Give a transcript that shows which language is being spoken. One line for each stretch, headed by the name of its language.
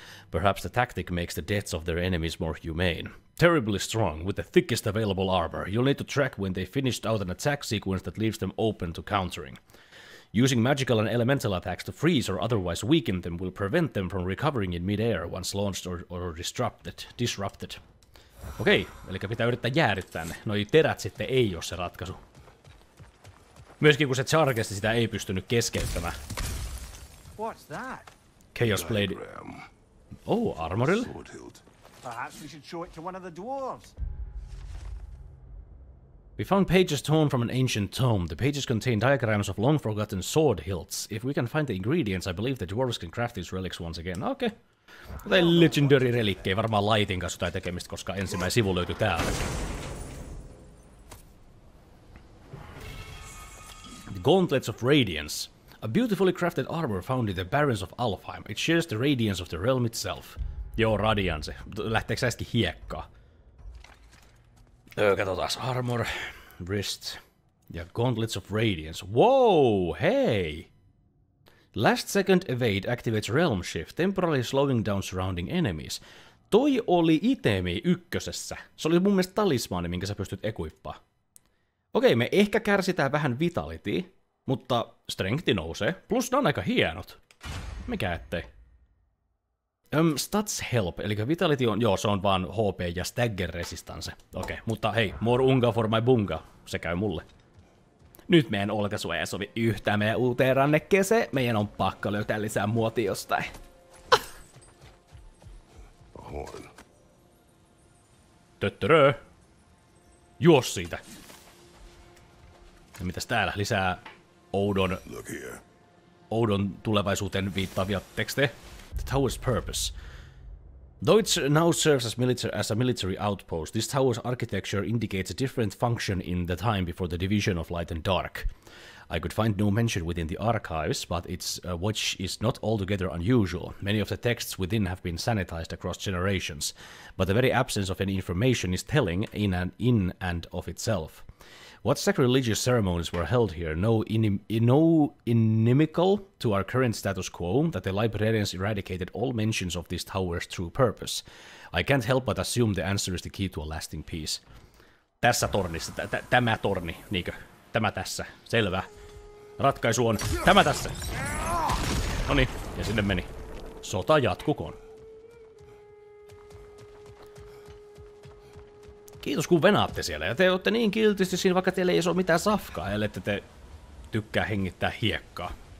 English: Perhaps the tactic makes the deaths of their enemies more humane. Terribly strong, with the thickest available armor, you'll need to track when they finished out an attack sequence that leaves them open to countering. Using magical and elemental attacks to freeze or otherwise weaken them will prevent them from recovering in mid-air once launched or disrupted.
Finnish: Okei, eli pitää yrittää jäädyttää ne. Noi terät sitten ei ole se ratkaisu. Myöskin kun se charkesti sitä ei pystynyt keskeyttämään.
English: What's that? Chaos Blade. Diagram. Oh, armorilla. Perhaps we should show it to one of the dwarves. We found pages torn from an ancient tome. The pages contain diagrams of long forgotten sword hilts. If we can find the ingredients, I believe the dwarves can craft these relics once again.
Finnish: Okei. Tai legendary relikki, ei varmaan Lightin kanssa jotain tekemistä, koska ensimmäinen sivu löytyi täällä.
English: The Gauntlets of Radiance. A beautifully crafted armor found in the Barrens of Alfheim. It shares the radiance of the realm itself.
Finnish: Joo, radianse. Lähteekö sä äsken hiekkaa? Katsotaas, armor, wrist ja Gauntlets of Radiance.
English: Wow, hei! Last second evade activates realm shift, temporarily slowing down surrounding enemies.
Finnish: Toi oli itemi ykkösessä. Se oli mun mielestä talismaani, minkä sä pystyt ekuippaa. Okei, me ehkä kärsitään vähän vitality, mutta strengthi nousee. Plus ne on aika hienot. Mikä ettei. Stats help, eli vitality on, joo, se on vaan HP ja stagger resistance. Okei, mutta hei,
English: more unga for my bunga.
Finnish: Se käy mulle. Nyt meidän olkasua ei sovi yhtään meidän uuteen rannekkeeseen. Meidän on pakko löytää lisää muoti jostain.
English: Horn.
Finnish: Töttörö! Juos siitä! Ja mitäs täällä? Lisää oudon...
English: Look here.
Finnish: Oudon tulevaisuuteen viittaavia tekstejä.
English: The tower's purpose. Though it now serves as a military outpost, this tower's architecture indicates a different function in the time before the division of light and dark. I could find no mention within the archives, but it's which is not altogether unusual. Many of the texts within have been sanitized across generations, but the very absence of any information is telling in and of itself. What sacrilegious ceremonies were held here, inimical to our current status quo, that the librarians eradicated all mentions of this tower's true purpose. I can't help but assume the answer is the key to a lasting peace.
Finnish: Tässä tornissa, tämä torni, niinkö? Tämä tässä, selvä. Ratkaisu on tämä tässä. Noni, ja sinne meni. Sota jatkukoon. Kiitos kun venaatte siellä, ja te olette niin kiltisti siinä, vaikka teillä ei ole mitään safkaa, ellette te tykkää hengittää hiekkaa.